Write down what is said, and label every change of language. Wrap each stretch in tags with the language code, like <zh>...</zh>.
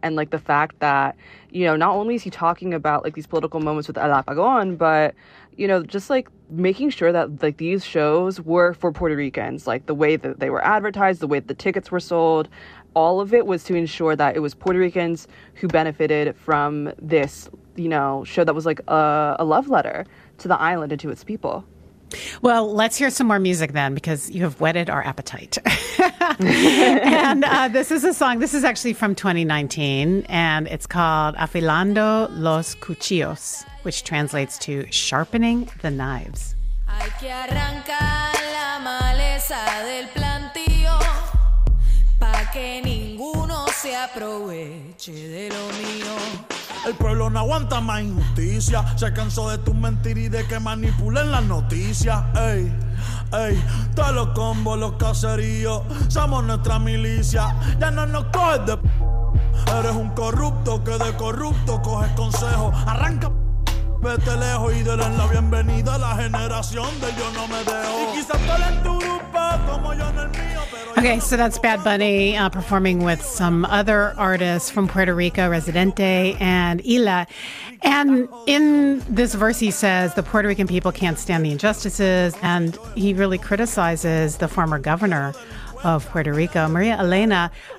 <en>And like the fact that, you know, not only is he talking about like these political moments with El Apagón, but, you know, just like making sure that like these shows were for Puerto Ricans, like the way that they were advertised, the way that the tickets were sold, all of it was to ensure that it was Puerto Ricans who benefited from this, you know, show that was like a love letter to the island and to its people. Well, let's hear some more music then, because you have whetted our appetite. And this is a song. This is actually from 2019, and it's called Afilando los Cuchillos, which translates to sharpening the knives.</en> <es>Hay que arrancar la maleza del plantío pa que ninguno se aproveche de lo mío. El pueblo no aguanta más injusticia. Se cansó de tus mentiras y de que manipulen las noticias. Ey, ey, todos los combos, los caseríos, somos nuestra milicia. Ya no nos coges de p. Eres un corrupto que de corrupto coges consejo. Arranca p. Vete lejos y denle la bienvenida a la generación de yo no me dejo. Y quizás tú en tu grupo como yo en el mío.</es> <en>Okay, so that's Bad Bunny performing with some other artists from Puerto Rico, Residente and Ila. And in this verse, he says the Puerto Rican people can't stand the injustices. And he really criticizes the former governor of Puerto Rico, Maria Elena.</en>